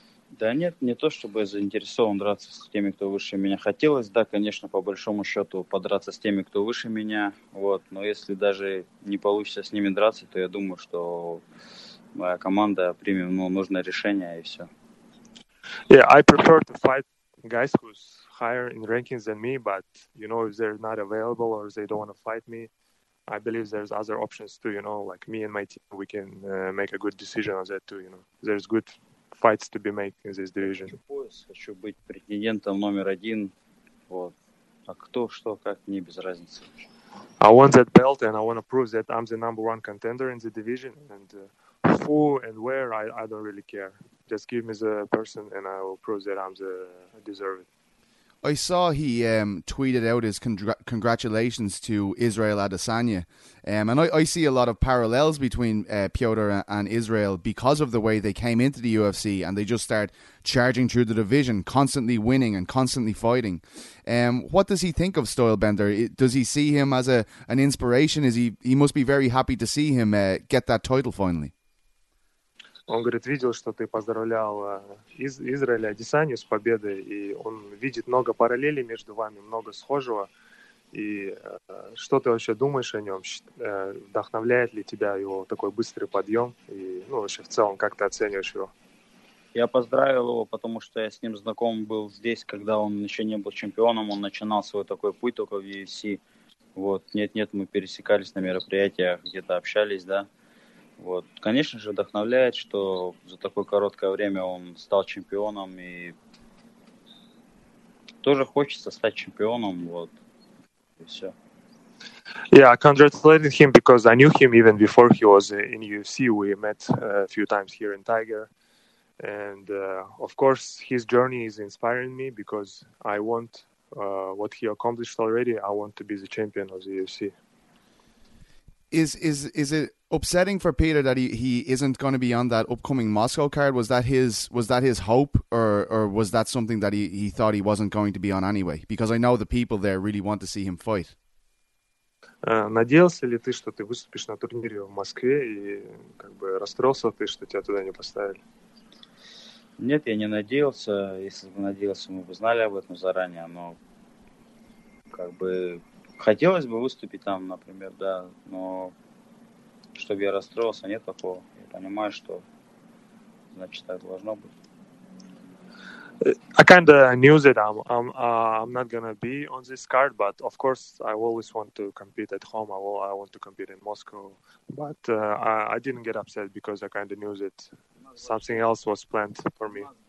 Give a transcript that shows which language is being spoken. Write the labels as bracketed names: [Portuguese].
[Russian] Да нет, не то чтобы я заинтересован драться с теми, кто выше меня. Хотелось, да, конечно, по большому счету подраться с теми, кто выше меня. Вот. Но если даже не получится с ними драться, то я думаю, что моя команда примет нужное решение и все. [English] Yeah, I prefer to fight guys who's higher in rankings than me, but you know, if they're not available or they don't want to fight me, I believe there's other options too, you know, like me and my team, we can make a good decision on that too, you know. There's good fights to be made in this division. [Russian] Хочу быть претендентом номер один, вот. А кто, что, как, мне без разницы. [English] I want that belt and I want to prove that I'm the number one contender in the division, and who and where, I don't really care. Just give me the person and I will prove that I deserve it. I saw he tweeted out his congratulations to Israel Adesanya. And I see a lot of parallels between Piotr and Israel because of the way they came into the UFC and they just start charging through the division, constantly winning and constantly fighting. What does he think of Stylebender? Does he see him as an inspiration? He must be very happy to see him get that title finally. [Russian] Он говорит, видел, что ты поздравлял Израиля Адесанью с победой, и он видит много параллелей между вами, много схожего. И что ты вообще думаешь о нем? Вдохновляет ли тебя его такой быстрый подъем? И ну, вообще в целом, как ты оцениваешь его? Я поздравил его, потому что я с ним знаком был здесь, когда он еще не был чемпионом, он начинал свой такой путь только в UFC. Вот, нет-нет, мы пересекались на мероприятиях, где-то общались, да. Вот. Конечно же, вдохновляет, что за такое короткое время он стал чемпионом, и тоже хочется стать чемпионом, вот, и все. [English] Yeah, I congratulated him because I knew him even before he was in UFC. We met a few times here in Tiger, and of course, his journey is inspiring me because I want what he accomplished already. I want to be the champion of the UFC. Is it upsetting for Peter that he isn't going to be on that upcoming Moscow card? Was that his hope, or was that something that he thought he wasn't going to be on anyway? Because I know the people there really want to see him fight. [Russian] Надеялся ли ты, что ты выступишь на турнире в Москве, и как бы расстроился ты, что тебя туда не поставили? Нет, я не надеялся. Если бы надеялся, мы бы знали об этом заранее. Но как бы хотелось бы выступить там, например, да, но чтобы я расстроился, нет такого. Я понимаю, что, значит, так должно быть. [English] I kind of knew that I'm not gonna be on this card, but of course I always want to compete at home. I want to compete in Moscow, but I didn't get upset because I kind of knew that something else was planned for me.